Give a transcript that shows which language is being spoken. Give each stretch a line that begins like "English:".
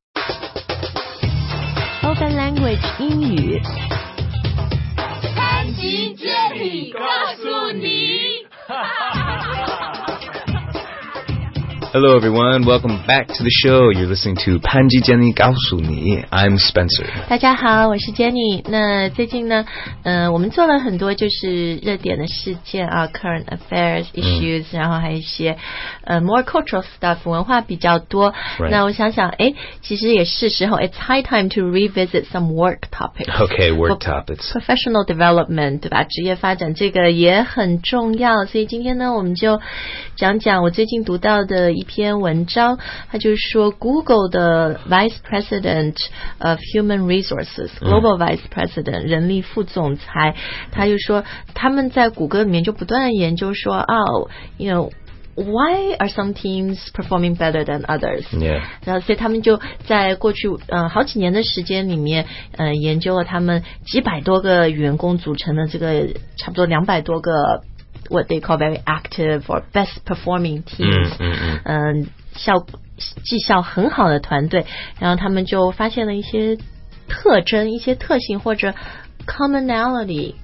English: Spoken Language
Chinese: 英语。潘吉杰里告诉你。
English: Hello everyone, welcome back to the show. You're listening to 潘吉杰里告诉你。 I'm Spencer.
Chinese: 大家好，我是 Jenny。那最近呢，我们做了很多就是热点的事件啊 ，
English: current affairs issues，
Chinese: 然后还有一些
English: more cultural stuff，
Chinese: 文化比较多。
English: Right.
Chinese: 那我想想，其实也是时候 ，
English: it's high time to revisit some work topics. Okay, work topics. Professional development，
Chinese: 对吧？职业发展这个也很重要。所以今天呢，我们就讲讲我最近读到的。一篇文章，他就是说 Google 的 Vice President of Human Resources Global Vice President 人力副总裁，他就说他们在谷歌里面就不断研究说
English: Why are some teams performing better than others? Yeah.
Chinese: 所以他们就在过去好几年的时间里面研究了他们几百多个员工组成的这个差不多两百多个
English: What they call very active or best performing teams，
Chinese: 绩效很好的团队，然后他们就发现了一些特征、一些特性或者 commonality，